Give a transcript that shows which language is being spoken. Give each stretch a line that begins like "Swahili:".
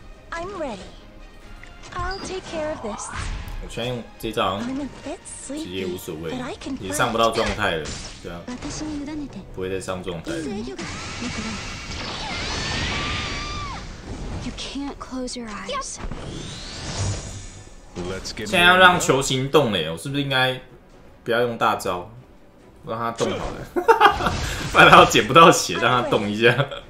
English: I'm ready. I'll take care of this.
Chinese: 我先用这张，直接无所谓，也上不到状态了，对啊，不会再上状态了。
English: You can't close your eyes.
Chinese: 现在要让球形动嘞，我是不是应该不要用大招，让它动好了？不然它捡不到血，让它动一下。